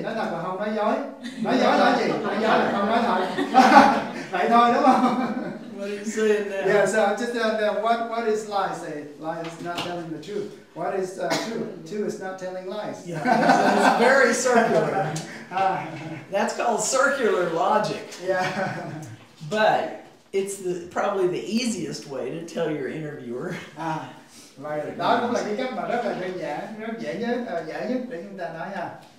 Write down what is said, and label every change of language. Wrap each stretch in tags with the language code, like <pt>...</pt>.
<vi>Nói thật là không nói dối. Nói dối là gì? Nói dối là không nói thật. Vậy thôi đúng không?</vi> <en>What are you saying now? Yeah, so I'm just telling them what is lie? Say lie is not telling the truth. What is true? True is not telling lies. Yeah, so it's very circular. That's called circular logic. Yeah. But it's probably the easiest way to tell your interviewer. Right.</en> <vi>Đó cũng là cái cách mà rất là đơn giản, rất dễ nhất để chúng ta nói ha.</vi>